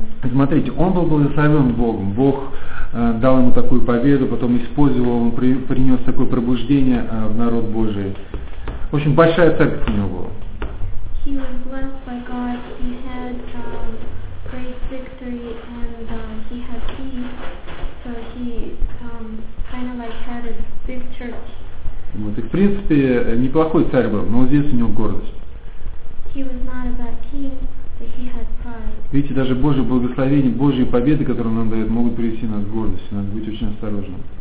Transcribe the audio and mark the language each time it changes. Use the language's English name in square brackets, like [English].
[Russian] Смотрите, он был благословен Богом. Бог дал ему такую победу, потом использовал, он принес такое пробуждение в народ Божий. В общем, большая церковь у него была. [English] He was blessed by God. He had great victory and he had peace. So he kind of like had a big church. [Russian] Вот, и в принципе, неплохой царь был, но здесь у него гордость. [English] He was not a bad king, but he had pride. [Russian] Видите, даже Божье благословение, Божьи победы, которые он нам дает, могут привести нас к гордости. Надо быть очень осторожным.